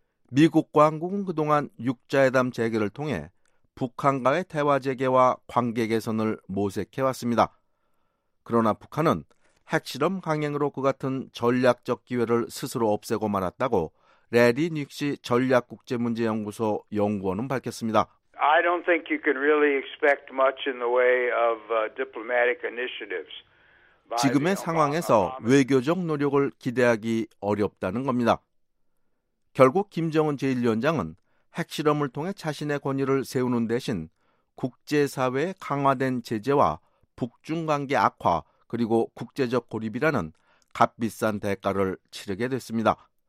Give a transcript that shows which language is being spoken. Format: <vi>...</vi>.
<ko>미국과 한국은 그동안 6자회담 재개를 통해 북한과의 대화 재개와 관계 개선을 모색해왔습니다. 그러나 북한은 핵실험 강행으로 그 같은 전략적 기회를 스스로 없애고 말았다고 래리 닉시 전략국제문제연구소 연구원은 밝혔습니다.</ko> <en>I don't think you can really expect much in the way of diplomatic initiatives.</en> <ko>지금의 상황에서 외교적 노력을 기대하기 어렵다는 겁니다. 결국 김정은 제1위원장은 핵실험을 통해 자신의 권위를 세우는 대신 국제사회의 강화된 제재와 북중관계 악화 그리고 국제적 고립이라는 값비싼 대가를 치르게 됐습니다.</ko>